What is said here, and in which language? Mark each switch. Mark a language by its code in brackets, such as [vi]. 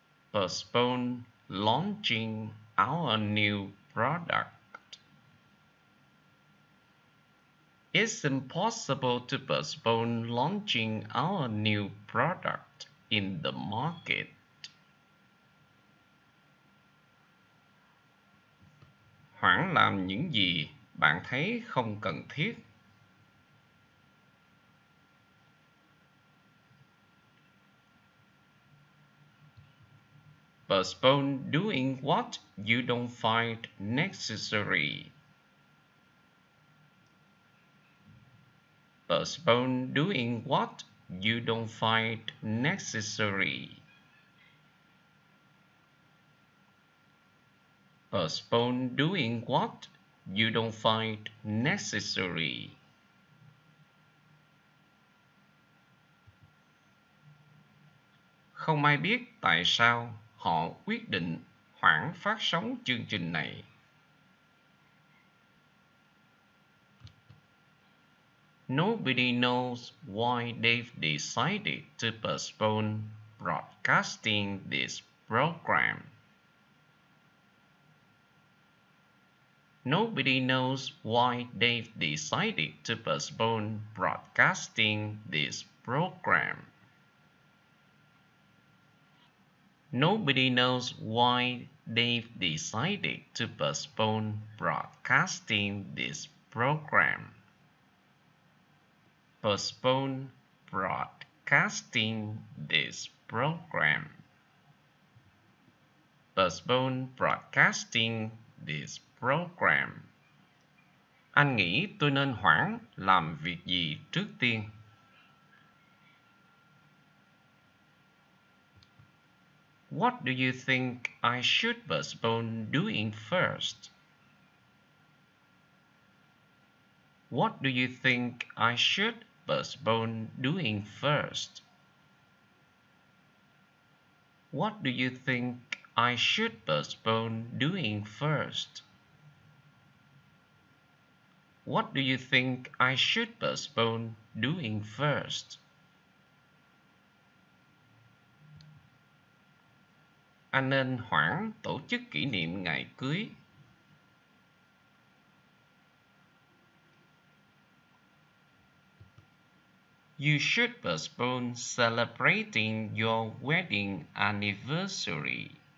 [en] Postpone launching our new product. It's impossible to postpone launching our new product in the market. [vi] Hoãn làm những gì bạn thấy không cần thiết. [en] Postpone doing what you don't find necessary. Postpone doing what you don't find necessary. Postpone doing what you don't find necessary. [vi] Không ai biết tại sao họ quyết định hoãn phát sóng chương trình này. [en] Nobody knows why they've decided to postpone broadcasting this program. Nobody knows why they've decided to postpone broadcasting this program. Nobody knows why they've decided to postpone broadcasting this program. Postpone broadcasting this program. Postpone broadcasting this program. [vi] Anh nghĩ tôi nên hoãn làm việc gì trước tiên? [en] What do you think I should postpone doing first? What do you think I should postpone doing first? What do you think I should postpone doing first? What do you think I should postpone doing first? [vi] Anh nên hoãn tổ chức kỷ niệm ngày cưới. [en] You should postpone celebrating your wedding anniversary.